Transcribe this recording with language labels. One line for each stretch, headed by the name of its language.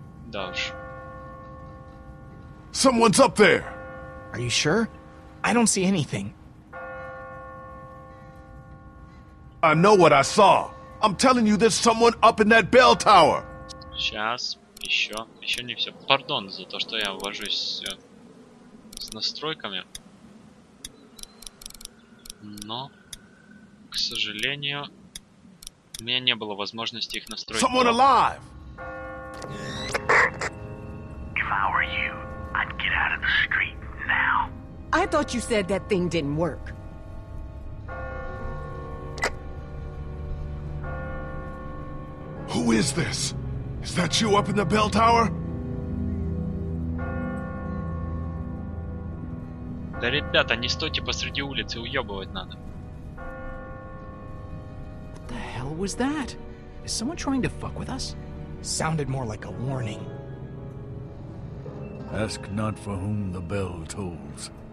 English: Dash. Someone's up there! Are you sure? I don't see anything. I know what I saw. I'm telling you, there's someone up in that bell tower.
Russian: Сейчас, еще не все. Пардон за то, что я вожусь с настройками. Но, к сожалению, у меня не было возможности их настроить.
English: Someone alive! If I were you, I'd get out of the street now. I thought you said that thing didn't work. Who is this? Is that you up in the bell tower?
Russian: Да, ребята, не стойте посреди улицы, уёбывать надо.
English: What the hell was that? Is someone trying to fuck with us? Sounded more like a warning. Ask not for whom the bell tolls.